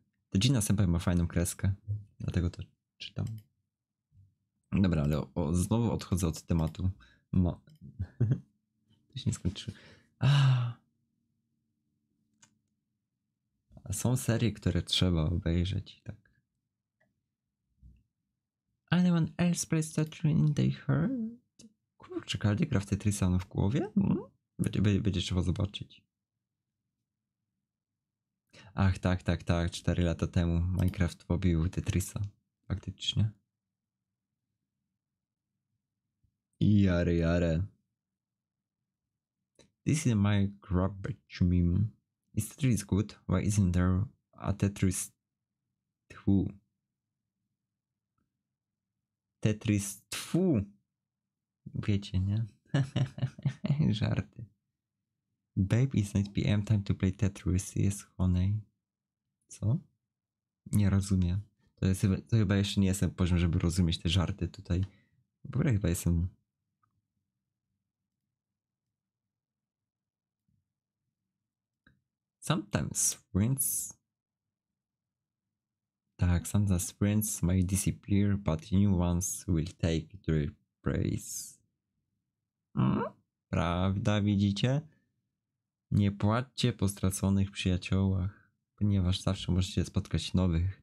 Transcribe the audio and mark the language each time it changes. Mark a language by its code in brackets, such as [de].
[pl] Te Gina Senpai ma fajną kreskę, dlatego to czytam. Dobra, ale znowu odchodzę od tematu. To się nie skończyło. Są serie, które trzeba obejrzeć, tak. [en] Anyone else plays Tetris in their heart? [pl] Kurczę, każdy gra w Tetrisa w głowie? Będzie trzeba zobaczyć. Ach, tak. 4 lata temu Minecraft pobił Tetrisa. Faktycznie. Jare. [en] This is my garbage meme. Is Tetris good? Why isn't there a Tetris 2? [pl] Tetris 2. Wiecie, nie? Żarty. [en] Babe, it's 9 PM, time to play Tetris. [pl] Jest honey. Co? Nie rozumiem. To chyba jeszcze nie jestem poziom, żeby rozumieć te żarty tutaj. W ogóle chyba jestem... [en] Sometimes sprints... [pl] Tak, [en] sometimes sprints may disappear, but new ones will take their place. [pl] Prawda, widzicie? Nie płaczcie po straconych przyjaciołach, ponieważ zawsze możecie spotkać nowych.